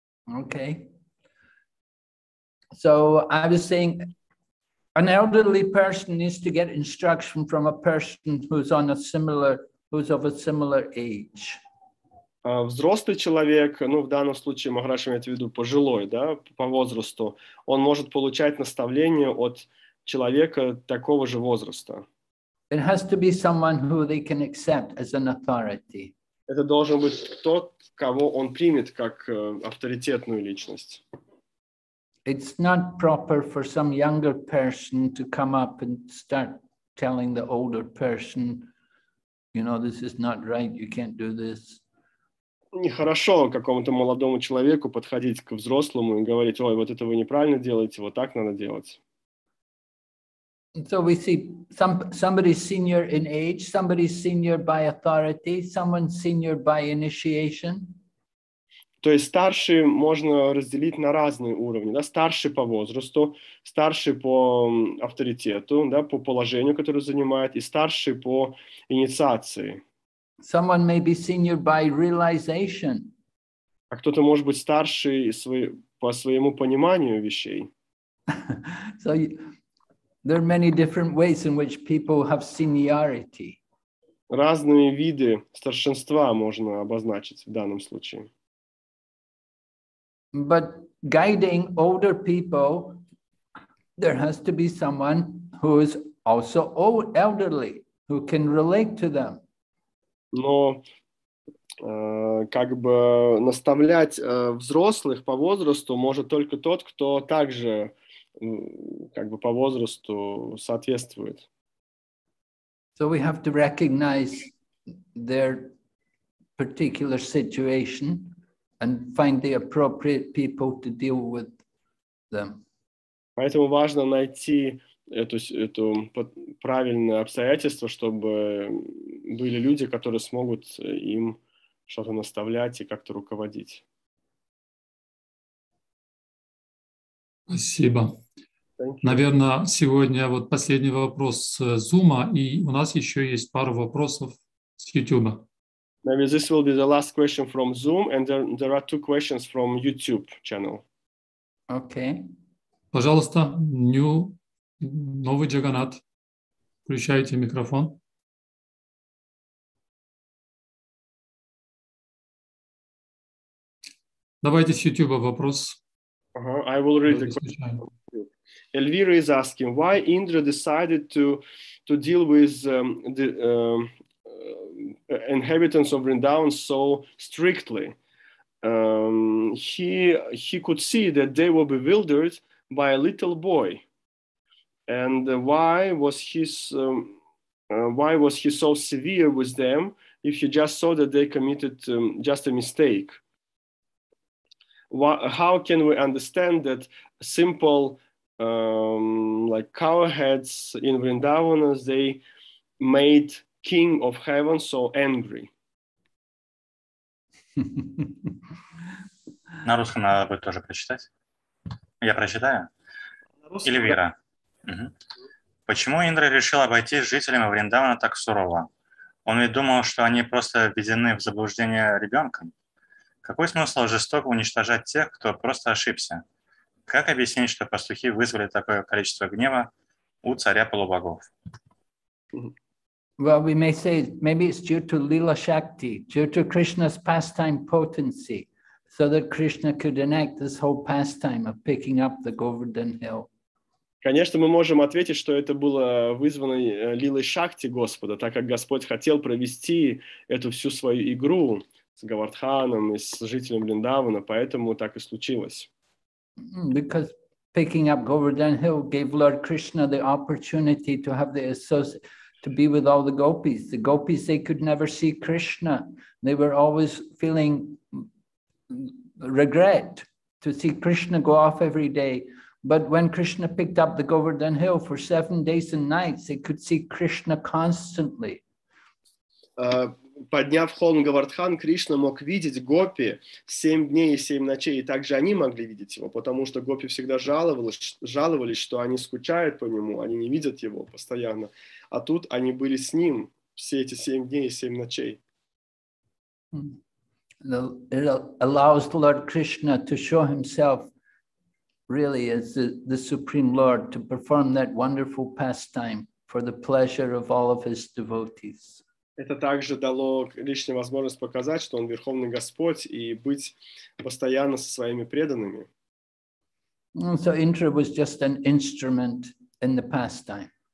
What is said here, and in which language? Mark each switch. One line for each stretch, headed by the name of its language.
English: Okay. So I was saying, an elderly person needs to get instruction from a person who's of a similar age.
Russian: Взрослый человек, ну, в данном случае, Махарадж имеет в виду пожилой, да, по возрасту, он может получать наставление от человека такого же возраста.
English: It has to be someone who they can accept as an authority.
Russian: Это должен быть тот, кого он примет как авторитетную личность.
English: It's not proper for some younger person to come up and start telling the older person, you know, this is not right, you can't do this.
Russian: Нехорошо какому-то молодому человеку подходить к взрослому и говорить, ой, вот это вы неправильно делаете, вот так надо делать.
English: So we see somebody senior in age, somebody senior by authority, someone senior by initiation.
Russian: То есть старшие можно разделить на разные уровни. Да? Старший по возрасту, старший по авторитету, да, по положению, которое занимает, и старший по инициации.
English: Someone may be senior by realization.
Russian: А кто-то может быть старше по своему пониманию вещей.
English: So there are many different ways in which people have seniority.
Russian: Разные виды старшинства можно обозначить в данном случае.
English: But guiding older people, there has to be someone who is also old, elderly, who can relate to them.
Russian: Но как бы наставлять взрослых по возрасту может только тот, кто также как бы по возрасту соответствует.
English: So we have to recognize their particular situation and find the appropriate people to deal with them.
Russian: Поэтому важно найти это правильное обстоятельство, чтобы были люди, которые смогут им что-то наставлять и как-то руководить. Спасибо. Наверное, сегодня вот последний вопрос с Зума, и у нас еще есть пару вопросов с YouTube.
English: Maybe this will be the last question from Zoom, and there are 2 questions from YouTube channel. Okay.
Russian: Пожалуйста, Новый Джаганат. Включайте микрофон. Давайте с YouTube вопрос.
English: I will read the question. Эльвира is asking, why Indra decided to deal with the inhabitants of Vrindavan so strictly? He could see that they were bewildered by a little boy. And why was he so severe with them if he just saw that they committed just a mistake? How can we understand that simple like cowherds in Vrindavan, they made King of Heaven so angry?
Russian: На русском надо будет тоже прочитать. Я прочитаю. Эльвира. Почему Индра решил обойтись с жителями Вриндавана так сурово? Он ведь думал, что они просто введены в заблуждение ребенком. Какой смысл жестоко уничтожать тех, кто просто ошибся? Как объяснить, что пастухи вызвали такое количество гнева у царя полубогов?
English: Well, we may say maybe it's due to Lila Shakti, due to Krishna's pastime potency, so that Krishna could enact this whole pastime of picking up the Govardhan hill.
Russian: Конечно, мы можем ответить, что это было вызвано Лилой Шакти Господа, так как Господь хотел провести эту всю свою игру с Говардханом и с жителем Вриндавана, поэтому так и случилось.
English: Because picking up Govardhan Hill gave Lord Krishna the opportunity to have the to be with all the gopis. The gopis, they could never see Krishna. They were always feeling regret to see Krishna go off every day. But when Krishna picked up the Govardhan Hill for 7 days and nights, they could see Krishna constantly.
Russian: Подняв холм Говардхан, Кришна мог видеть гопи 7 дней и 7 ночей, и также они могли видеть его, потому что гопи всегда жаловались, что они скучают по нему, они не видят его постоянно. А тут они были с ним все эти 7 дней и 7 ночей.
English: It allows Lord Krishna to show himself really as the Supreme Lord, to perform that wonderful pastime for the pleasure of all of his devotees.
Russian: Это также дало Кришне возможность показать, что он Верховный Господь, и быть постоянно со своими преданными.
English: So Indra was just an instrument in the pastime.